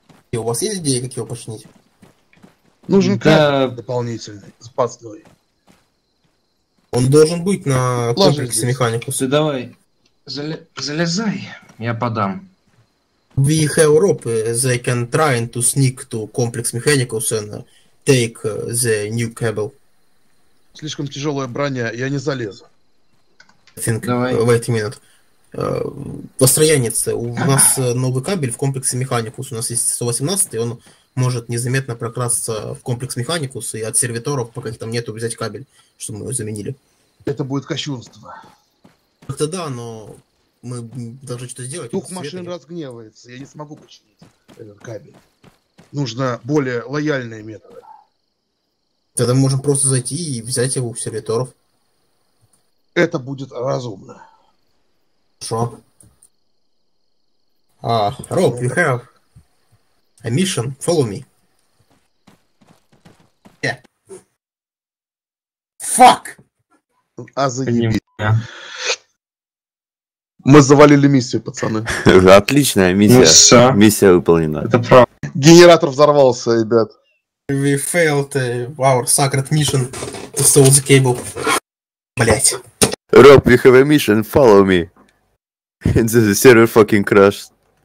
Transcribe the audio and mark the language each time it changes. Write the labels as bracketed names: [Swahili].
[Russian] И у вас есть идея, как его починить? Нужен кабель дополнительный, запасной. Он должен быть на комплексе механику. Ты давай, залезай, я подам. [English] We have rope, they can try to sneak to complex mechanicals and take the new cable. [Russian] Слишком тяжелая броня, я не залезу. [English] Think, wait a minute. [Russian] Построянница, у нас новый кабель в комплексе механикус, у нас есть 118, он может незаметно прокрасться в комплекс механикус и от сервиторов, пока их там нету, взять кабель, чтобы мы его заменили. Это будет кощунство. Как-то да, но... Мы должны что-то сделать. Дух машин разгневается. Я не смогу починить этот кабель. Нужно более лояльные методы. Тогда мы можем просто зайти и взять его у сервиторов. Это будет разумно. Хорошо. [English] А, Роб, you have a mission. Follow me. Yeah. Fuck! [Russian] А заебись. Мы завалили миссию, пацаны. Отличная миссия. Ну, все. Миссия выполнена. Это правда. Генератор взорвался, ребят. [English] We failed our sacred mission to solve the cable. [Russian] Блять. [English] Rob, we have a mission. Follow me. And the server fucking crashed.